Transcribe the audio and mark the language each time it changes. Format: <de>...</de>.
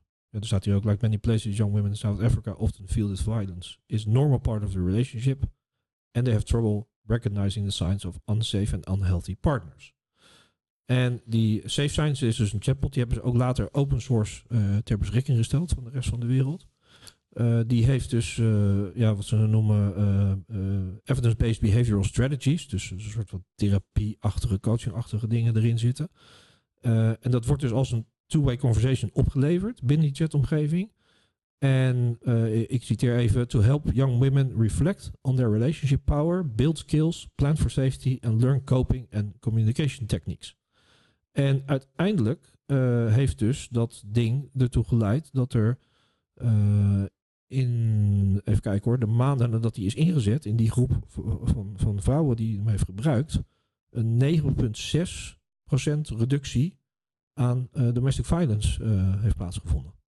<nl>Er staat hier ook,</nl> <en>like many places, young women in South Africa often feel that violence is a normal part of the relationship and they have trouble recognizing the signs of unsafe and unhealthy partners.</en> <nl>En die Safe Science is dus een chatbot, die hebben ze ook later open source ter beschikking gesteld van de rest van de wereld. Die heeft dus wat ze noemen</nl> <en>evidence-based behavioral strategies,</en> <nl>dus een soort van therapie-achtige, coaching-achtige dingen erin zitten. En dat wordt dus als een</nl> <en>two-way conversation</en> <nl>opgeleverd binnen die chatomgeving. En ik citeer even,</nl> <en>to help young women reflect on their relationship power, build skills, plan for safety and learn coping and communication techniques.</en> <nl>En uiteindelijk heeft dus dat ding ertoe geleid dat er de maanden nadat die is ingezet in die groep van vrouwen die hem heeft gebruikt, een 9,6% reductie aan</nl> <en>domestic violence</en> <nl>heeft plaatsgevonden.</nl>